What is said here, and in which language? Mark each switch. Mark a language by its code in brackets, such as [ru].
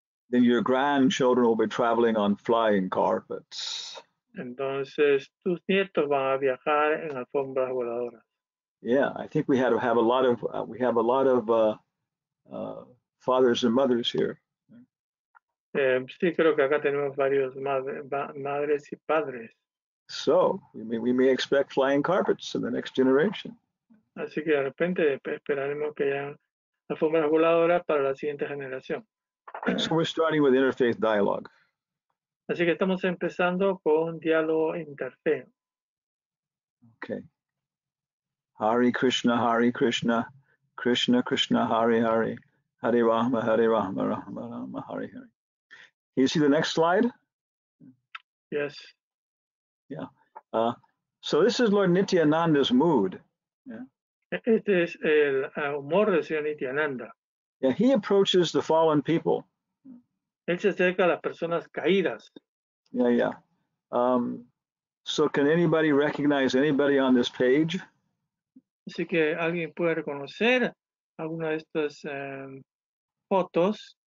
[en] Then your grandchildren will be traveling on flying carpets. [es] Entonces, tus nietos van a viajar en alfombras voladoras. [en] Yeah, I think we have a lot of we have a lot of fathers and mothers here. [es] Sí, creo que acá tenemos varios madres y padres. [en] So, we may expect flying carpets in the next generation. [es] Así que de repente esperaremos que haya alfombras voladoras para la siguiente generación. [en] So we're starting with interfaith dialogue. [es] Así que estamos empezando con diálogo interfaith. [sa] Okay. Hare Krishna, Hare Krishna, Krishna Krishna, Hare Hare, Hare Rama, Hare Rama, Rama Rama, Hare Hare. [en] Can you see the next slide? Yes. Yeah. So this is Lord Nityananda's mood. Yeah. [es] Este es el humor de Señor Nityananda. [en] Yeah, he approaches the fallen people. [es] Él se acerca a las personas caídas. [en] Yeah, yeah. So can anybody recognize anybody on this page? [es] Así que alguien puede reconocer alguna de estas fotos.